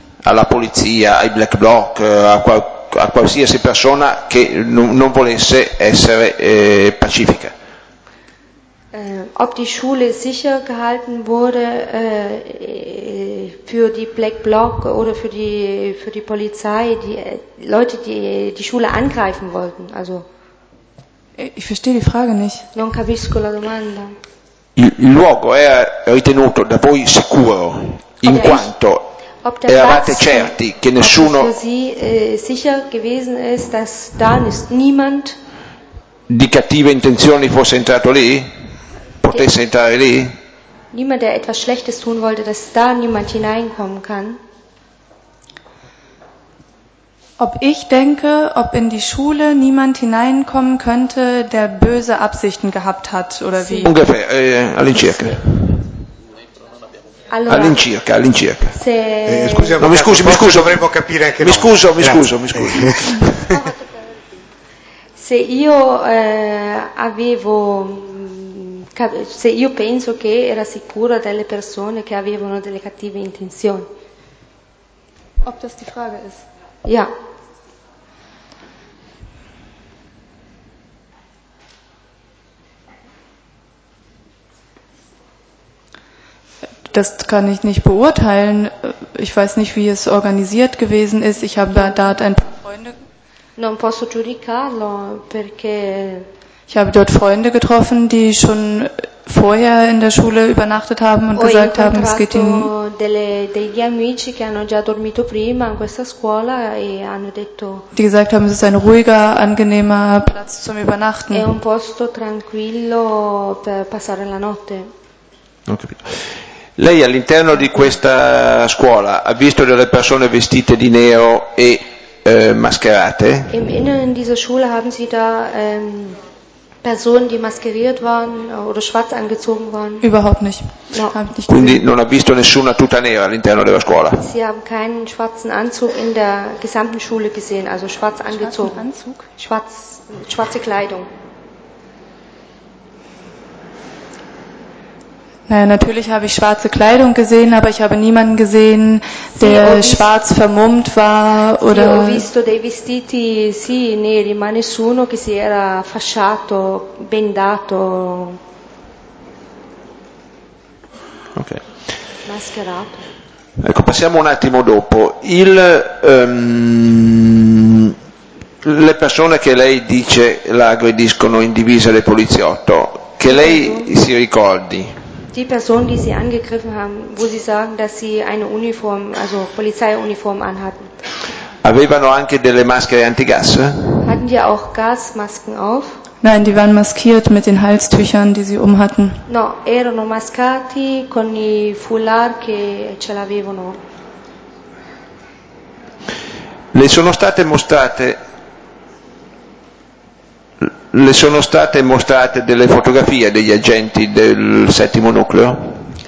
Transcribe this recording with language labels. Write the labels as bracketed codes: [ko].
[it] Alla polizia, ai black bloc, a qualsiasi persona che non volesse essere pacifica. [de] Ob die Schule sicher gehalten wurde für die Black Bloc oder für die Polizei, die Leute, die Schule angreifen wollten. Also ich verstehe die Frage nicht. [it] Non capisco la domanda. Il luogo era ritenuto da voi sicuro in quanto eravate certi che nessuno. [de] Ob sie sicher gewesen ist, dass da niemand [it] di cattive intenzioni fosse entrato lì? Potesse entrare lì? [de] Niemand, der etwas Schlechtes tun wollte, dass da niemand hineinkommen kann. Ob ich denke, ob in die Schule niemand hineinkommen könnte, der böse Absichten gehabt hat, oder wie? Ungefähr, [it] all'incirca. Allora, all'incirca. Se... scusi, no, mi scuso, dovremmo capire anche noi. Mi scuso. Se io avevo... Se io penso che era sicura delle persone che avevano delle cattive intenzioni. [de] Ob das die Frage ist? Ja. Das kann ich nicht beurteilen. Ich weiß nicht, wie es organisiert gewesen ist. Ich habe da ein paar Freunde. [it] Non posso giudicarlo perché. [de] Ich habe dort Freunde getroffen, die schon vorher in der Schule übernachtet haben und gesagt haben, es geht ihnen. [it] Degli amici che hanno già dormito prima in questa scuola e hanno detto. [de] Die gesagt haben, es ist ein ruhiger, angenehmer Platz zum Übernachten. [it] È un posto tranquillo per passare la notte. Non ho capito. Lei all'interno di questa scuola ha visto delle persone vestite di nero e mascherate? [de] Im Inneren dieser Schule haben Sie da Personen, die maskeriert waren oder schwarz angezogen waren? Überhaupt nicht. [it] No. Quindi non ha visto nessuna tuta nera all'interno della scuola. [de] Sie haben keinen schwarzen Anzug in der gesamten Schule gesehen, also schwarz schwarzen angezogen. Anzug? Schwarze Kleidung. Naja, natürlich habe ich schwarze Kleidung gesehen, aber ich habe niemanden gesehen, der schwarz vermummt war oder. [it] Ho visto dei vestiti sì neri, ma nessuno che si era fasciato, bendato. Ok. Mascherato. Ecco, passiamo un attimo dopo. Le persone che lei dice la aggrediscono in divisa dei poliziotto, che lei si ricordi? [de] Die Personen, die sie angegriffen haben, wo sie sagen, dass sie eine Uniform, also Polizeiuniform anhatten. [it] Avevano anche delle maschere antigas? [de] Hatten die auch Gasmasken auf? Nein, die waren maskiert mit den Halstüchern, die sie umhatten. [it] No, erano mascati con i foulard che ce l'avevano. Le sono state mostrate Le sono state mostrate delle fotografie degli agenti del settimo nucleo?